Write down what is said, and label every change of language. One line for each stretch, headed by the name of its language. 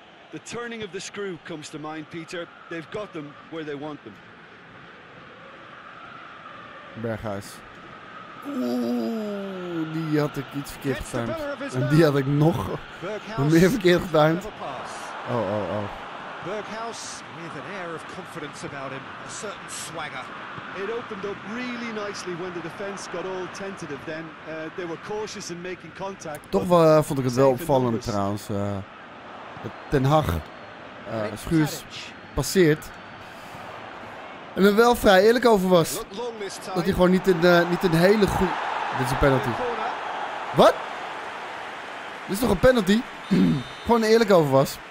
English: The turning of the screw comes to mind, Peter. They've got them where they want them. Berghuis.
Dutch: Oeh, die had ik iets verkeerd getimed. En die had ik nog meer verkeerd getimed. Oh.
English: Berghuis with an air of confidence about him, a certain swagger. It opened up really nicely when the defense got all tentative. Then they were cautious in making contact.
Dutch: Toch wel vond ik het wel opvallend trouwens. Ten Hag, Schuurs passeert en er wel vrij eerlijk over was dat hij gewoon niet een hele goed. Dit is een penalty. Wat? Dit is toch een penalty? Gewoon eerlijk over was.